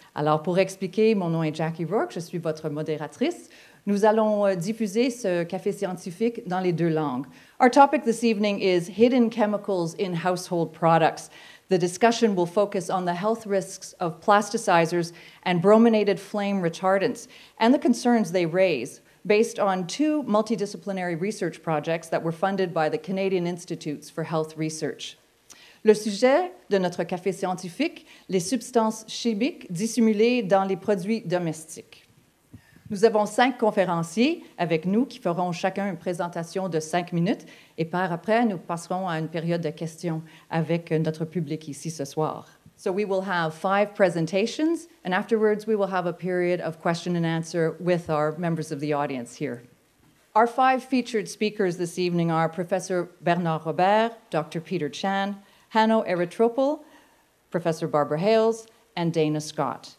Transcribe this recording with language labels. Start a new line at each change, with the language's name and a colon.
French: Alors, pour expliquer, mon nom est Jackie Rourke. Je suis votre modératrice. Nous allons diffuser ce Café Scientifique dans les deux langues.
English: Our topic this evening is hidden chemicals in household products. The discussion will focus on the health risks of plasticizers and brominated flame retardants and the concerns they raise, based on two multidisciplinary research projects that were funded by the Canadian Institutes for Health Research.
French: Le sujet de notre café scientifique, les substances chimiques dissimulées dans les produits domestiques. Nous avons cinq conférenciers avec nous qui feront chacun une présentation de cinq minutes et par après, nous passerons à une période de questions avec notre public ici ce soir.
English: So we will have five presentations and afterwards we will have a period of question and answer with our members of the audience here. Our five featured speakers this evening are Professor Bernard Robert, Dr. Peter Chan, Hanno Eritropoul, Professor Barbara Hales, and Dana Scott.